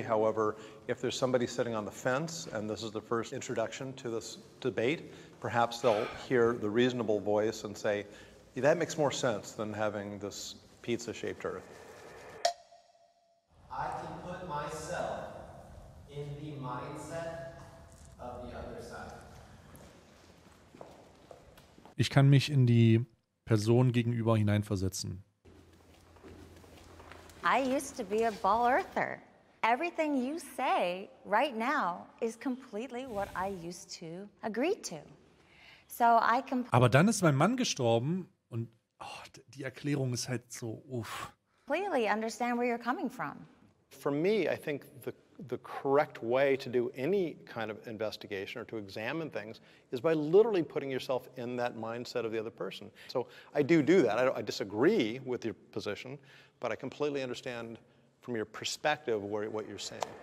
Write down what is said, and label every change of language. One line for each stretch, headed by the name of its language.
English: However, if there's somebody sitting on the fence and this is the first introduction to this debate, perhaps they'll hear the reasonable voice and say, yeah, that makes more sense than having this pizza-shaped Earth. I can put myself in the mindset of the other side.
German: Ich kann mich in die Person gegenüber hineinversetzen.
English: I used to be a ball earther. Everything you say right now is completely what I used to agree to. So I can.
German: Aber dann ist mein Mann gestorben und oh, die Erklärung ist halt so uff.
English: Clearly understand where you're coming from. For me, I think the correct way to do any kind of investigation or to examine things is by literally putting yourself in that mindset of the other person. So I do that. I disagree with your position, but I completely understand from your perspective what you're saying.